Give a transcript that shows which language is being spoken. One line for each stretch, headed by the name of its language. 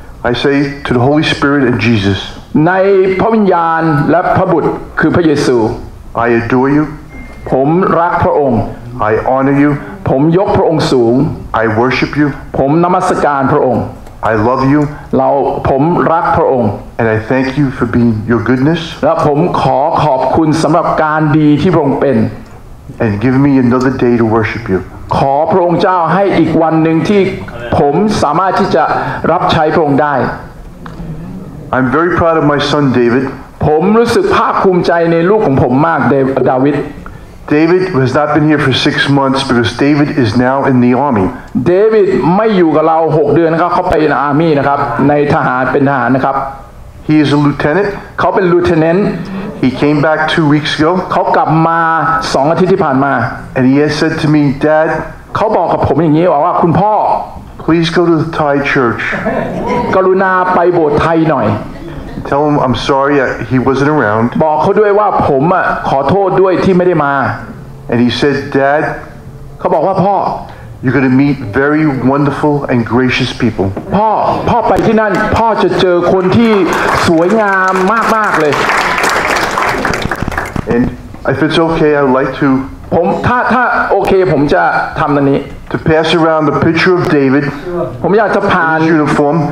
English: I say to the Holy Spirit and Jesus.
Thai: ในพระวิญญาณและพระบุตรคือพระเยซู
English: I adore you.
Thai: ผมรักพระองค์
English: I honor you.
Thai: ผมยกพระองค์สูง
English: I worship you.
Thai: ผมนมัสการพระองค์
English: I love you.
Thai: เราผมรักพระองค์
English: And I thank you for being your goodness.
Thai: และผมขอขอบคุณสำหรับการดีที่พระองค์เป็น
English: And give me another day to worship you.
Thai: ขอพระองค์เจ้าให้อีกวันนึงที่ผมสามารถที่จะรับใช้พระองค์ได้
English: I'm very proud of my son David
Thai: ผมรู้สึกภาคภูมิใจในลูกของผมมากดาวิด
English: David has not been here for 6 months because David is now in the army
Thai: David ไม่อยู่กับเรา6เดือนนะครับเขาไปในอาร์มี่นะครับในทหารเป็นทหารนะครับ
English: He is a lieutenant
Thai: เขาเป็นลูเทเนนต์
English: He came back 2 weeks ago.
Thai: เขากลับมา2อาทิตย์ที่ผ่านมา
English: And he has said to me, Dad.
Thai: เขาบอกกับผมอย่างนี้ว่าคุณพ่อ
English: Please go to the Thai church.
Thai: กรุณาไปโบสถ์ไทยหน่อย
English: Tell him I'm sorry he wasn't around.
Thai: บอกเขาด้วยว่าผมขอโทษด้วยที่ไม่ได้มา
English: And he said, Dad.
Thai: เขาบอกว่าพ่อ
English: You're going to meet very wonderful and gracious people.
Thai: พ่อไปที่นั่นพ่อจะเจอคนที่สวยงามมากมากเลย
English: And if it's okay, I'd like to.
Thai: ผมถ้าโอเคผมจะทำตรงนี้
English: To pass around the picture of David.
Thai: ผมอยากจะผ่าน
English: uniform.